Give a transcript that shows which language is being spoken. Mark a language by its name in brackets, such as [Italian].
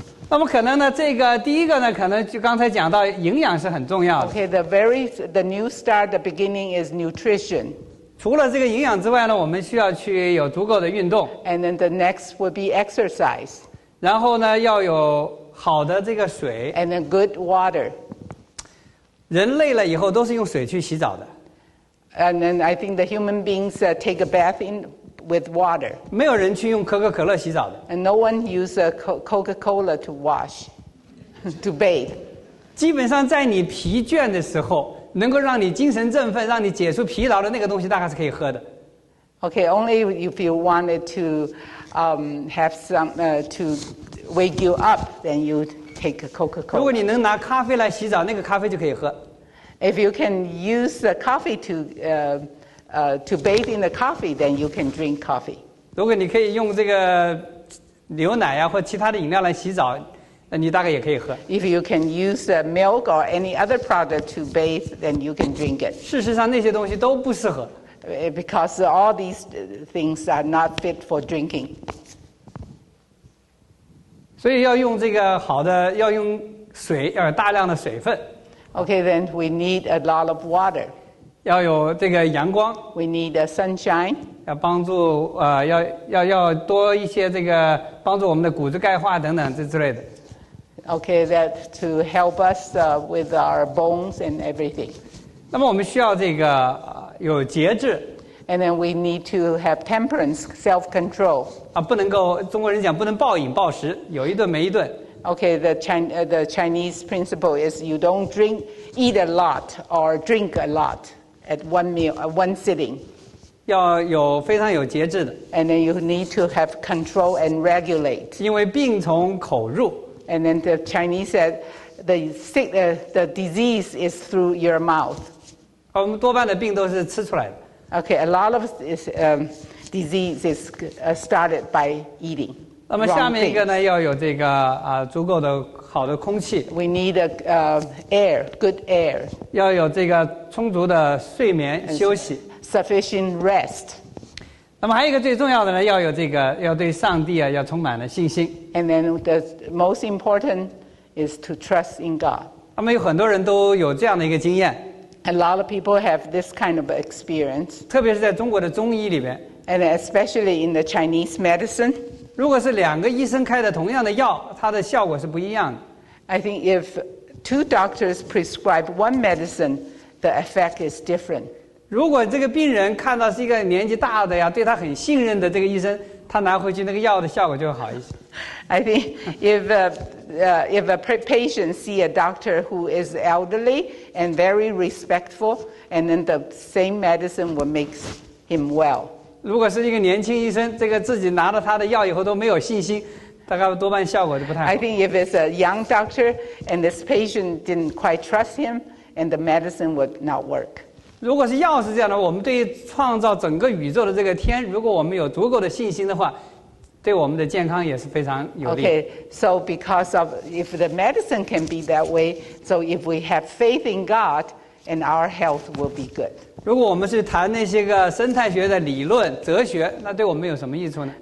[Chinese] 那么可能呢，这个第一个呢，可能就刚才讲到营养是很重要的。 [English] Okay, the new start, the beginning is nutrition. [Chinese] 除了这个营养之外呢，我们需要去有足够的运动。 [English] And then the next would be exercise. [Chinese] 然后呢，要有。好的这个水 [English] and then good water. [Chinese] 人累了以后都是用水去洗澡的。 [English] And then I think the human beings take a bath with water. [Chinese] 没有人去用可口可乐洗澡的。 [English] And no one use a Coca-Cola to wash, to bathe. [Chinese] 基本上在你疲倦的时候，能够让你精神振奋，让你解除疲劳的那个东西大概是可以喝的。 [English] Okay, only if you wanted to have some to wake you up, then you take a Coca-Cola. [Chinese] 如果你能拿咖啡来洗澡，那个咖啡就可以喝。 [English] If you can use the coffee to bathe in the coffee, then you can drink coffee. [Chinese] 如果你可以用这个牛奶呀、啊、或其他的饮料来洗澡，你大概也可以喝。 [English] If you can use the milk or any other product to bathe, then you can drink it. [Chinese] 事实上，那些东西都不适合。 [English] Because all these things are not fit for drinking. [Chinese] 所以要用这个好的，要用水，要大量的水分。 [English] Okay, then we need a lot of water. [Chinese] 要有这个阳光。 [English] We need a sunshine. [Chinese] 要帮助要多一些这个帮助我们的骨质钙化等等之类的。 [English] Okay, that to help us with our bones and everything. [Chinese] 那么我们需要这个有节制。 [English] And then we need to have temperance, self-control. [Chinese] 啊，不能够中国人讲不能暴饮暴食，有一顿没一顿。 [English] Okay, the Chinese principle is you don't drink, eat a lot or drink a lot at one meal, one sitting. [Chinese] 要有非常有节制的。 [English] And then you need to have control and regulate. [Chinese] 因为病从口入。 [English] And then the Chinese said the disease is through your mouth. [Chinese] 我们多半的病都是吃出来的。 [English] Okay, a lot of disease is started by eating. [Chinese] 那么下面一个呢，要有这个足够的好的空气。 [English] We need a air, good air. [Chinese] 要有这个充足的睡眠休息。 [English] Sufficient rest. [Chinese] 那么还有一个最重要的呢，要有这个要对上帝啊要充满了信心。 [English] And then the most important is to trust in God. [Chinese] 那么有很多人都有这样的一个经验。 [English] A lot of people have this kind of experience. [Chinese] 特别是在中国的中医里边。 [English] And especially in the Chinese medicine. [Chinese] 如果是两个医生开的同样的药，它的效果是不一样的。 [English] I think if two doctors prescribe one medicine, the effect is different. [Chinese] 如果这个病人看到是一个年纪大的呀，对他很信任的这个医生，他拿回去那个药的效果就会好一些。 [English] I think if a patient see a doctor who is elderly and very respectful, and then the same medicine will make him well. [Chinese] 如果是一个年轻医生，这个自己拿了他的药以后都没有信心，大概多半效果就不太好。 [English] I think if it's a young doctor and this patient didn't quite trust him, and the medicine would not work. [Chinese] 如果是药是这样的，我们对于创造整个宇宙的这个天，如果我们有足够的信心的话，对我们的健康也是非常有利。 [English] Okay, so because of if the medicine can be that way, so if we have faith in God, and our health will be good. [Chinese] 如果我们是谈那些个生态学的理论、哲学，那对我们有什么益处呢